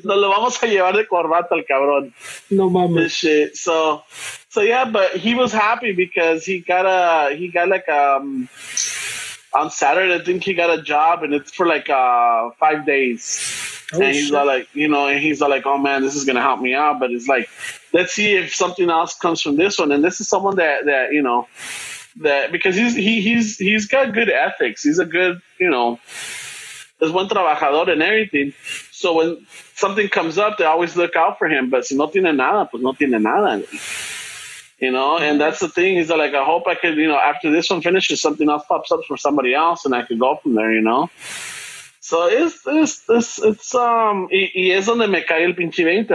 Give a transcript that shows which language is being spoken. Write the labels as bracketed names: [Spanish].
[Spanish] No, lo vamos a llevar de corbata al cabrón. No mames. [English] This shit. So yeah, but he was happy because he got like on Saturday, I think he got a job and it's for like 5 days. Oh, and he's all like, you know, and he's all like, oh man, this is gonna help me out. But it's like, let's see if something else comes from this one. And this is someone that you know, that because he's got good ethics. He's a good, you know, [Spanish] es buen trabajador [English] and everything. So when something comes up, they always look out for him. But [Spanish] si no tiene nada, pues no tiene nada. [English] You know, and that's the thing. He's like, I hope I could, you know, after this one finishes, something else pops up for somebody else and I could go from there, you know. [Spanish] So y es donde me cae el pinche 20.